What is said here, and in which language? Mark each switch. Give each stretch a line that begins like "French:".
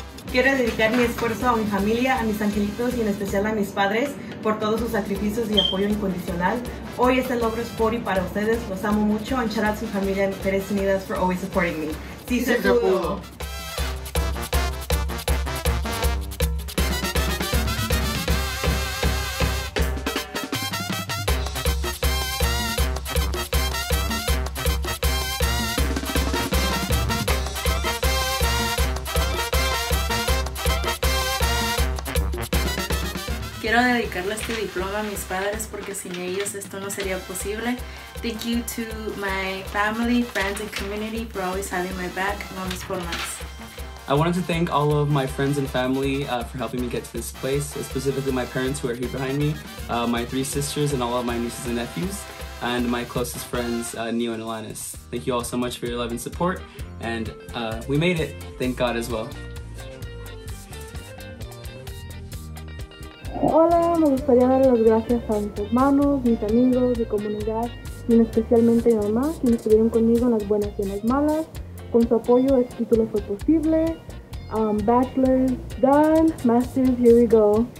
Spanish: Quiero dedicar mi esfuerzo a mi familia, a mis angelitos y en especial a mis padres por todos sus sacrificios y apoyo incondicional. Hoy este logro es por y para ustedes. Los amo mucho.
English: And shout out to familia and Pérez Unidas for always supporting me.
Spanish: Sí, se pudo. Quiero dedicarle este diploma a mis padres porque sin ellos esto no sería posible.
English: Thank you to my family, friends, and community for always having my back.
Spanish: Vamos por más.
English: I wanted to thank all of my friends and family for helping me get to this place, specifically my parents who are here behind me, my three sisters and all of my nieces and nephews, and my closest friends, Neo and Alanis. Thank you all so much for your love and support, and we made it. Thank God as well.
Spanish: Hola, me gustaría dar las gracias a mis hermanos, mis amigos, mi comunidad y especialmente a mi mamá, quienes estuvieron conmigo en las buenas y en las malas. Con su apoyo, este título fue posible.
English: Bachelor's done, master's here we go.